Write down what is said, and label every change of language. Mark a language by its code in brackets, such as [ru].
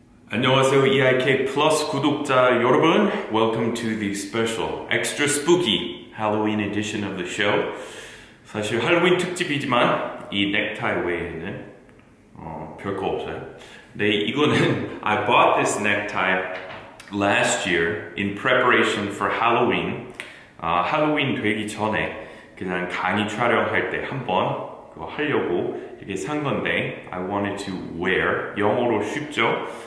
[ko] 안녕하세요, EIK 플러스 구독자 여러분. [en] Welcome to the special extra spooky Halloween edition of the show. [ko] 사실 할로윈 특집이지만 이 넥타이 외에는 별거 없어요. 네, 이거는 [en] I bought this necktie last year in preparation for Halloween. [ko] Halloween 되기 전에 그냥 강의 촬영할 때 한번 그거 하려고 이렇게 산 건데 [en] I wanted to wear, [ko] 영어로 쉽죠?